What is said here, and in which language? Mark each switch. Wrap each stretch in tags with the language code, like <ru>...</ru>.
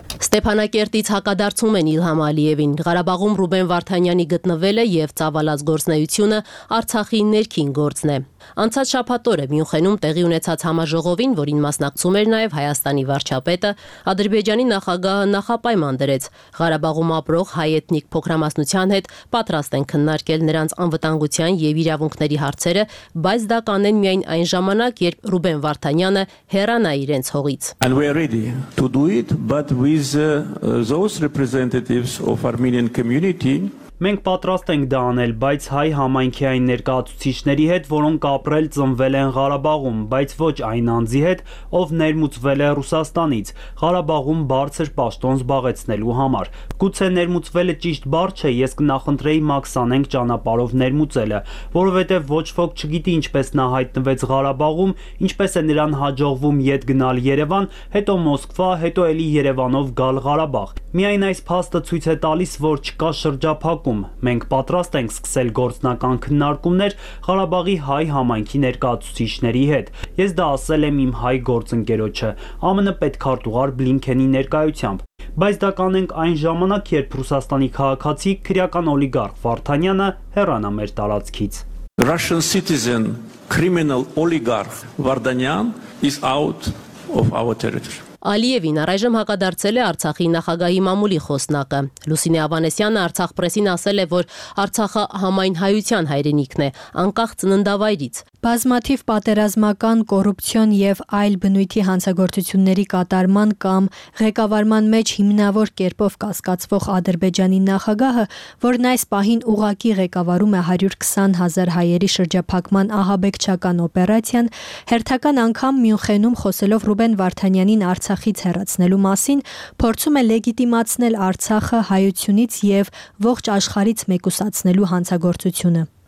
<hy>Ստեփանակերտից հակադարձում են Իլհամ Ալիևին։ Ղարաբաղում Ռուբեն Վարդանյանի գտնվելը եւ ծավալած գործնեությունը Արցախի ներքին գործն է։ Անցած շաբաթ օրը Մյունխենում տեղի ունեցած համաժողովին, որին մասնակցում էր նաև Հայաստանի վարչապետը, Ադրբեջանի նախագահը նախապայման դրեց. Ղարաբաղում ապրող հայ էթնիկ փոքրամասնության հետ պատրաստ են քննարկել նրանց անվտանգության եւ իրավունքների հարցերը, բայց դա կանեն միայն այն ժամանակ, երբ Ռուբեն Վարդանյանը հեռանա իրենց հողից։</hy> <en>And we are ready to do it, but with those representatives of Armenian community.</en> <hy>Մենք պատրաստ ենք դա անել, բայց հայ համայնքի այն ներկայացուցիչների հետ, որոնք ապրել, ծնվել են Ղարաբաղում, բայց ոչ այն անձի հետ, ով ներմուծվել է Ռուսաստանից, Ղարաբաղում բարձր պաշտոն զբաղեցնելու համար։ Գուցե ներմուծվելը ճիշտ բառ չէ, ես կնախընտրեի մաքսանենք ճանապարհով ներմուծելը, որովհետև ոչ ոք չգիտի ինչպես նա հայտնվեց Ղարաբաղում, ինչպես է նրան հաջողվում ետ գնալ Երևան, հետո Մոսկվա, հետո էլի Երևանով գալ Ղարաբաղ։ Միայն այս փաստը ցույց է տալիս, որ չկա շրջափակում։ Մենք պատրաստ ենք սկսել գործնական քննարկումներ Ղարաբաղի հայ համայնքի ներկայացուցիչների հետ։ Ես դա ասել եմ իմ հայ գործընկերոջը, ԱՄՆ պետքարտուղար Բլինքենի ներկայությամբ։ Բայց դա կանենք այն ժամանակ, երբ Ռուսաստանի քաղաքացի քրեական օլիգարխ Վարդանյանը հեռանա մեր տարածքից։</hy> <en>Russian citizen criminal oligarch Vardanyan is out of our territory.</en> <hy>Ալիևին առայժմ հակադարձել է Արցախի նախագահի մամուլի խոսնակը։ Լուսինե Ավանեսյանը Արցախ պրեսին ասել է, որ Արցախը համայն հայության հայրենիքն է, անկախ ծննդավայրից։ Բազմաթիվ պատերազմական, կոռուպցիոն եւ այլ բնույթի հանցագործությունների կատարման կամ ղեկավարման մեջ հիմնավոր կերպով կասկածվող Ադրբեջանի նախագահը, որն այս պահին ուղակի ղեկավարում է 120 000 հայերի շրջափակման ահաբեկչական օպերացիան, հերթական անգամ Մյունխենում խոսելով Ռուբեն Վարդանյանին Արցախից հեռացնելու մասին, փորձում է լեգիտիմացնել Արցախը հայությունից եւ ողջ աշխարից մեկուսացնելու հանցագործությունը։</hy>